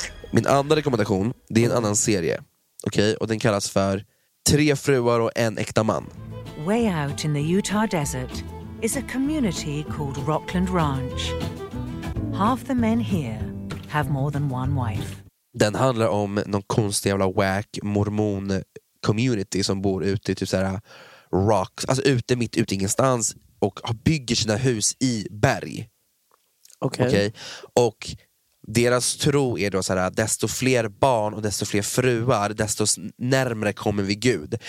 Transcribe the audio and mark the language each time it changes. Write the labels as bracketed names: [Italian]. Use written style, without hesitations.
[Swedish] Min andra rekommendation, det är en annan serie. Okej, okay? Och den kallas för Tre fruar och en äkta man. [English] Way out in the Utah desert is a community called Rockland Ranch. Half the men here have more than one wife. [Swedish] Den handlar om någon konstig jävla whack mormon community som bor ute i typ såhär rocks, alltså ute mitt ute ingenstans, och bygger sina hus i berg. Okej. Okay. Och deras tro är då så här, desto fler barn och desto fler fruar, desto närmare kommer vi Gud.